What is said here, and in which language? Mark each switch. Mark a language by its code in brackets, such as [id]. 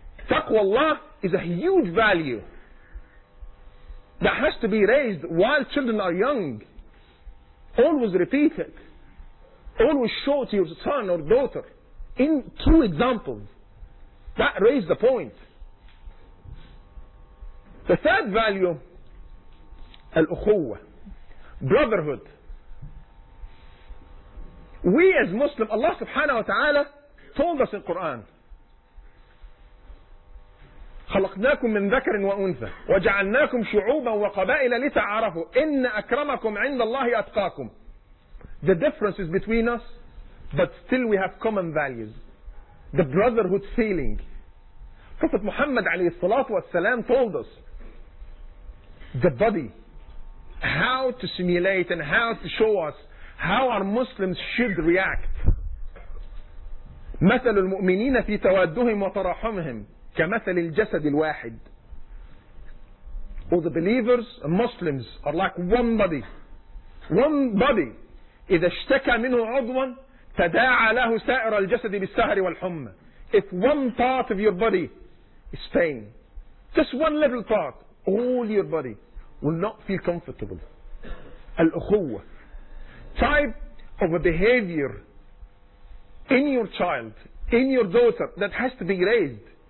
[en] Taqwa Allah is a huge value that has to be raised while children are young. Always repeat it. Always show to your son or daughter in true examples. That raised the point. The third value, al-ukhuwa, brotherhood. We as Muslims, Allah subhanahu wa ta'ala told us in Quran, [ar] خلقناكم من ذكر وأنثى وجعلناكم شعوبا وقبائل لتعارفوا إن أكرمكم عند الله أتقاكم. [en] The difference is between us, but still we have common values. The brotherhood feeling. Prophet Muhammad عليه الصلاة والسلام told us the body, how to simulate and how to show us how our Muslims should react. [ar] مثل المؤمنين في توادهم وتراحمهم كمثل الجسد الواحد. [en] All the believers and Muslims are like one body. One body. [ar] إذا اشتكى منه عضوا تداعى له سائر الجسد بالسهر والحمى. [en] If one part of your body is pain, just one little part, all your body will not feel comfortable. [ar] الأخوة. [en] Type of a behavior in your child, in your daughter, that has to be raised.